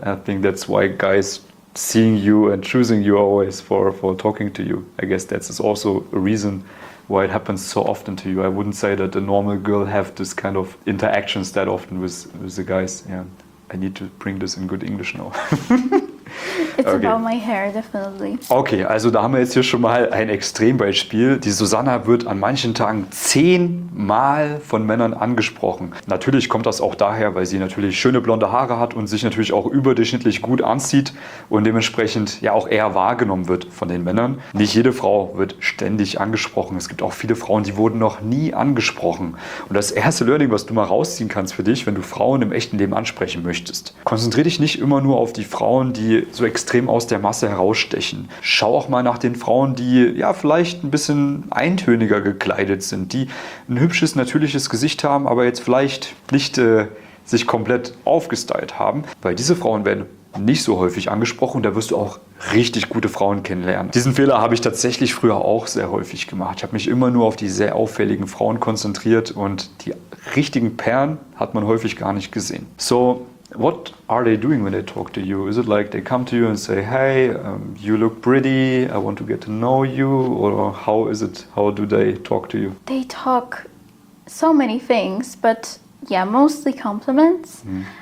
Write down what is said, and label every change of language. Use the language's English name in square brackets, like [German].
[English] I think that's why guys seeing you and choosing you always for talking to you. I guess that's also a reason why it happens so often to you. I wouldn't say that a normal girl have this kind of interactions that often with the guys. Yeah, I need to bring this in good English now. It's okay. About my hair, definitely. [German] Okay, also da haben wir jetzt hier schon mal ein Extrembeispiel. Die Susanna wird an manchen Tagen 10 Mal von Männern angesprochen. Natürlich kommt das auch daher, weil sie natürlich schöne blonde Haare hat und sich natürlich auch überdurchschnittlich gut anzieht und dementsprechend ja auch eher wahrgenommen wird von den Männern. Nicht jede Frau wird ständig angesprochen. Es gibt auch viele Frauen, die wurden noch nie angesprochen. Und das erste Learning, was du mal rausziehen kannst für dich, wenn du Frauen im echten Leben ansprechen möchtest, konzentriere dich nicht immer nur auf die Frauen, die so extrem aus der Masse herausstechen. Schau auch mal nach den Frauen, die ja vielleicht ein bisschen eintöniger gekleidet sind, die ein hübsches, natürliches Gesicht haben, aber jetzt vielleicht nicht sich komplett aufgestylt haben. Weil diese Frauen werden nicht so häufig angesprochen und da wirst du auch richtig gute Frauen kennenlernen. Diesen Fehler habe ich tatsächlich früher auch sehr häufig gemacht. Ich habe mich immer nur auf die sehr auffälligen Frauen konzentriert und die richtigen Perlen hat man häufig gar nicht gesehen. [English] So, what are they doing when they talk to you? Is it like they come to you and say, hey, you look pretty, I want to get to know you? Or how is it, how do they talk to you? They talk so many things, but yeah, mostly compliments. Mm.